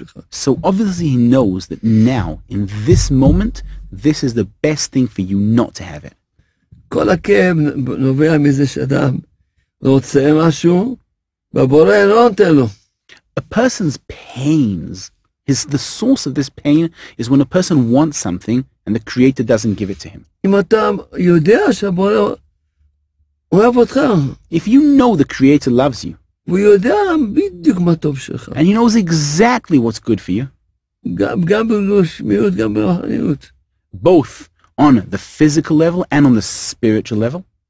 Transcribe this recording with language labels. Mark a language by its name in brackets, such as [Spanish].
[English] So obviously he knows that now, in this moment, this is the best thing for you not to have it. [Hebrew] כל הכאב נובע מזה שאדם רוצה משהו והבורא לא נותן לו. [English] A person's pains, the source of this pain is when a person wants something and the Creator doesn't give it to him. [Hebrew] אם אתה יודע שהבורא אוהב אותך, [English] if you know the Creator loves you, [Hebrew] והוא יודע בדיוק מה טוב שלך, [English] and he knows exactly what's good for you, [Hebrew] גם בגשמיות, גם ברוחניות, [English] both on the physical level and on the spiritual level.